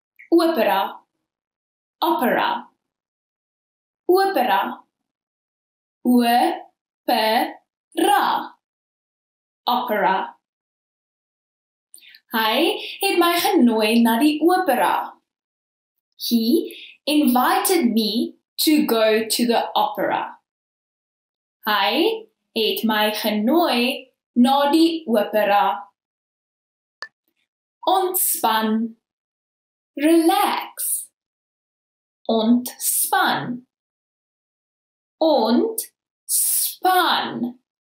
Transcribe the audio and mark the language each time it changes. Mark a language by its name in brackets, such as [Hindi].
[Afrikaans] Opera. Opera. Opera. Opera. Opera. Hy het my genooi na die opera. [English] He invited me to go to the opera. [Afrikaans] Hy het my genooi na die opera. Ontspan. [English] Relax. [Afrikaans] Ontspan. Ontspan.